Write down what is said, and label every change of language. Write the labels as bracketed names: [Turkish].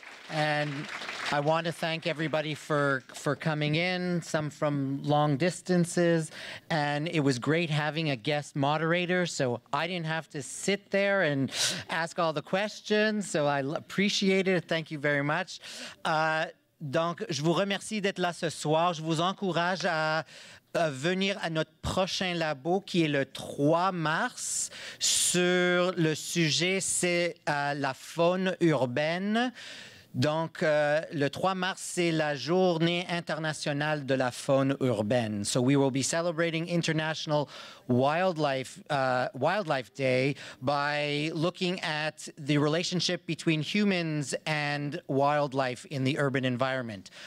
[English] And I want to thank everybody for coming in, some from long distances. And it was great having a guest moderator, so I didn't have to sit there and ask all the questions. So I appreciate it. Thank you very much. [French] Donc, je vous remercie d'être là ce soir. Je vous encourage à venir à notre prochain labo qui est le 3 mars sur le sujet, c'est la faune urbaine. Donc, le 3 mars, c'est la journée internationale de la faune urbaine. [English] So we will be celebrating International Wildlife Day by looking at the relationship between humans and wildlife in the urban environment.